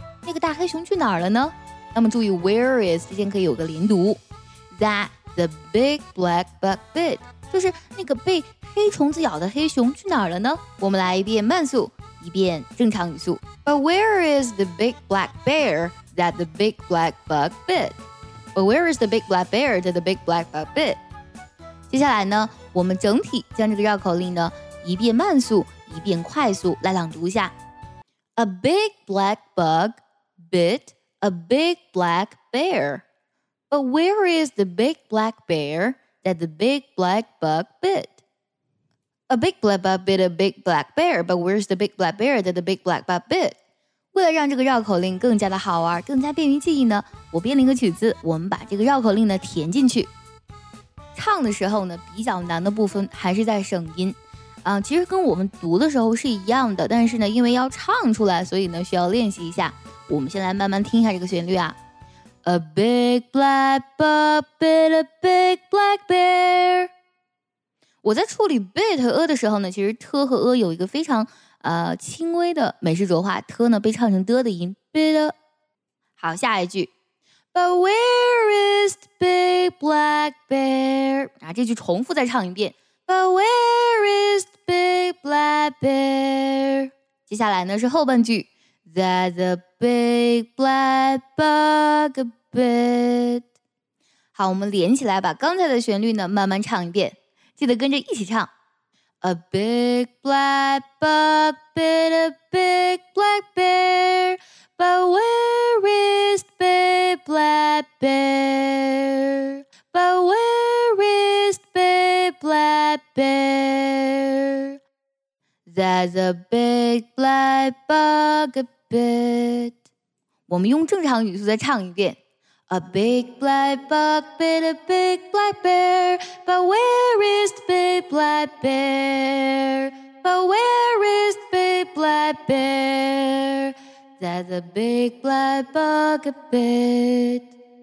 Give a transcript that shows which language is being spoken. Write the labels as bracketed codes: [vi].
[zh] 那个大黑熊去哪儿了呢？那么注意 [en] where is [zh] 之间可以有个连读 ， [en] that the big black bug bit， [zh] 就是那个被黑虫子咬的黑熊去哪儿了呢？我们来一遍慢速，一遍正常语速。 [en] But where is the big black bear？ That the big black bug bit. But where is the big black bear that the big black bug bit? [zh] 接下来呢，我们整体将这个绕口令呢，一遍慢速，一遍快速来朗读一下。 [en] A big black bug bit a big black bear. But where is the big black bear that the big black bug bit? A big black bug bit a big black bear. But where's the big black bear that the big black bug bit? [zh] 为了让这个绕口令更加的好玩，更加便于记忆呢，我编了一个曲子，我们把这个绕口令呢填进去。唱的时候呢，比较难的部分还是在省音，其实跟我们读的时候是一样的，但是呢，因为要唱出来，所以呢需要练习一下。我们先来慢慢听一下这个旋律啊。 [en] A big black bug bit a big black bear。 [zh] 我在处理 bit 和 a 的时候呢，其实 t 和 a 有一个非常。轻微的美式浊化 ，t 呢被唱成的的音 ，bit。好，下一句 ， [en] But where is the big black bear？ [zh] 啊，这句重复再唱一遍 ， [en] But where is the big black bear？ [zh] 接下来呢是后半句 ， [en] That the big black bug bit。 [zh] 好，我们连起来把刚才的旋律呢慢慢唱一遍，记得跟着一起唱。 [en] A big black bug bit a big black bear, but where is the big black bear? But where is the big black bear? That's a big black bug a bit. [zh] 我们用正常语速再唱一遍。 [en] A big black bug bit a big black bear, but where is the big black bear? But where is the big black bear? That's a big black bug a bit.